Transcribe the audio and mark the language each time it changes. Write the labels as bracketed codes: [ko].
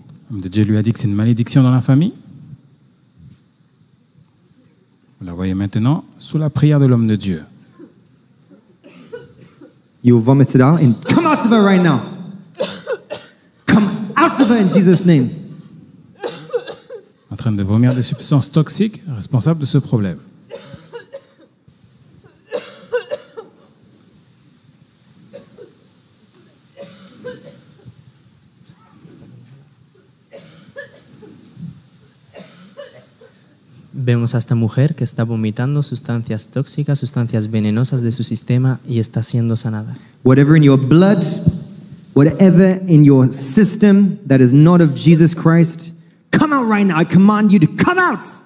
[fr] L'homme de Dieu lui a dit que c'est une malédiction dans la famille. Vous la voyez maintenant sous la prière de l'homme de Dieu. [en] You vomited out and come out of her right now. Come out of her in Jesus' name. [fr] En train de vomir des substances toxiques responsables de ce problème. [es] Vemos a esta mujer que está vomitando sustancias tóxicas, sustancias venenosas de su sistema y está siendo sanada. [en] Whatever in your blood, whatever in your system that is not of Jesus Christ, come out right now. I command you to come out.